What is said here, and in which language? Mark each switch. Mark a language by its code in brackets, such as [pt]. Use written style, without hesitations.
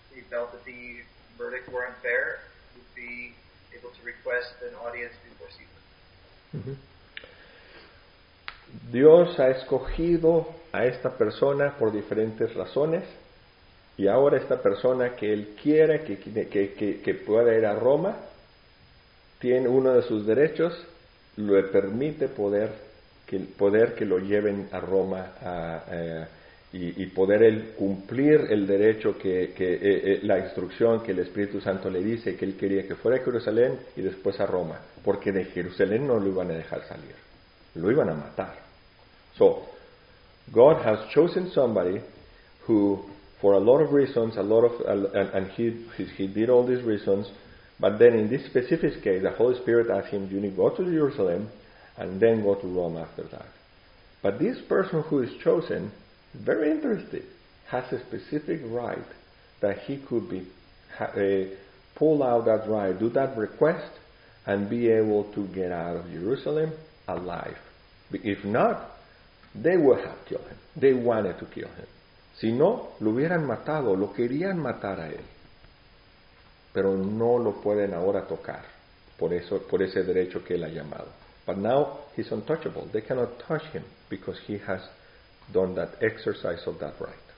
[en] he felt that the verdict were unfair, would be able to request an audience before Caesar. Mm-hmm. [es] Dios ha escogido a esta persona por diferentes razones, y ahora esta persona que él quiere que pueda ir a Roma, tiene uno de sus derechos, le permite poder que lo lleven a Roma y poder él cumplir el derecho la instrucción que el Espíritu Santo le dice que él quería que fuera a Jerusalén y después a Roma, porque de Jerusalén no lo iban a dejar salir, lo iban a matar. [en] So, God has chosen somebody who, for a lot of reasons, he did all these reasons, but then in this specific case, the Holy Spirit asked him, you need to go to Jerusalem, and then go to Rome after that. But this person who is chosen, very interesting, has a specific right that he could be pull out that right, do that request, and be able to get out of Jerusalem alive. If not, they would have killed him. They wanted to kill him. [es] Si no, lo hubieran matado, lo querían matar a él. Pero no lo pueden ahora tocar por ese derecho que él ha llamado. [en] But now he's untouchable. They cannot touch him because he has done that exercise of that right.